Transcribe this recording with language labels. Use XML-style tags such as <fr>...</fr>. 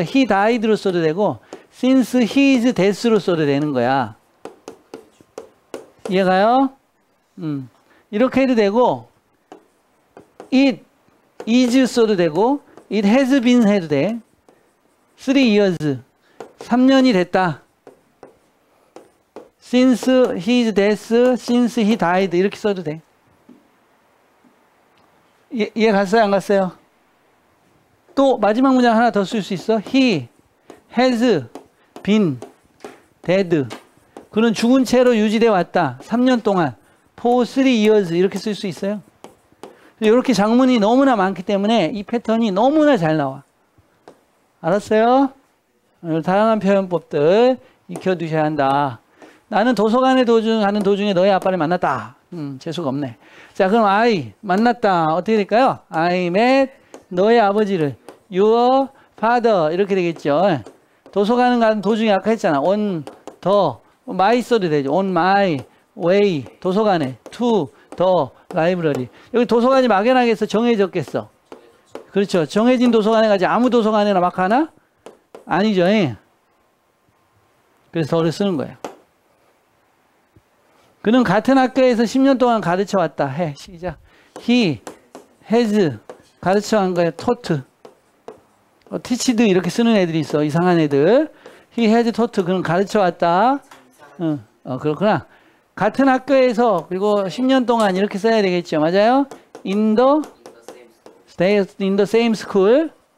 <en>He died로 써도 되고 since he is death로</en> <ko>써도 되는 거야. 이해가요? 이렇게 해도 되고 it is 써도 되고</ko> <en>it has been</en> <ko>해도 돼.</ko> <en>Three years.</en> <ko>3년이 됐다.</ko> <en>Since he is death, since he died</en> <ko>이렇게 써도 돼. 이해 갔어요? 안 갔어요? 또 마지막 문장 하나 더 쓸 수 있어.</ko> <en>He has been dead.</en> <ko>그는 죽은 채로 유지돼 왔다. 3년 동안.</ko> <en>For three years</en> <ko>이렇게 쓸 수 있어요. 이렇게 장문이 너무나 많기 때문에 이 패턴이 너무나 잘 나와. 알았어요? 다양한 표현법들 익혀두셔야 한다. 나는 도서관에 가는 도중에 너의 아빠를 만났다. 재수가 없네. 자, 그럼 I 만났다. 어떻게 될까요?</ko> <en>I met</en> <ko>너의 아버지를.</ko> <en>Your father. 이렇게 되겠죠.</en> <ko>도서관 가는 도중에 아까 했잖아.</ko> <en>On the, my 써도 되죠. On my way.</en> <ko>도서관에.</ko> <en>To the library.</en> <ko>여기 도서관이 막연하겠어? 정해졌겠어? 그렇죠. 정해진 도서관에 가지 아무 도서관이나 막 하나? 아니죠. 예. 그래서 덜 쓰는 거예요. 그는 같은 학교에서 10년 동안 가르쳐 왔다. 해. 시작.</ko> <en>He has</en> <ko>가르쳐 한 거예요.</ko> <en>Taught.</en> <ko>Teached 이렇게 쓰는 애들이 있어. 이상한 애들.</ko> <en>He has taught.</en> <ko>그는 가르쳐 왔다. 그렇구나. 같은 학교에서 그리고 10년 동안 이렇게 써야 되겠죠. 맞아요?</ko> <en>In the in the same school.</en>